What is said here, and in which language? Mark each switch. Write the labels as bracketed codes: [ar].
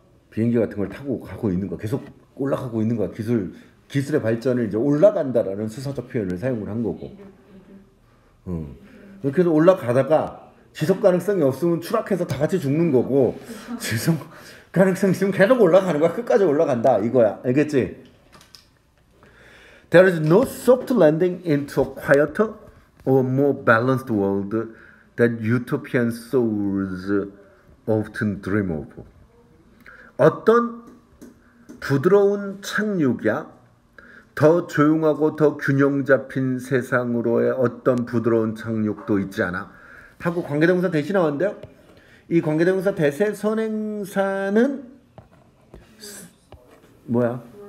[ko] 비행기 같은 걸 타고 가고 있는 거, 계속 올라가고 있는 거야. 기술의 발전을 이제 올라간다라는 수사적 표현을 사용을 한 거고. 이렇게 해서 올라가다가 지속 가능성이 없으면 추락해서 다 같이 죽는 거고, 지속 가능성이 있으면 계속 올라가는 거야. 끝까지 올라간다. 이거야. 알겠지? [en] There is no soft landing into a quieter or more balanced world that utopian souls often dream of. [ko] 어떤 부드러운 착륙이야? 더 조용하고 더 균형 잡힌 세상으로의 어떤 부드러운 착륙도 있지 않아? 하고 관계대명사 대시 나왔는데요. 이 관계대명사 대세 선행사는 뭐야?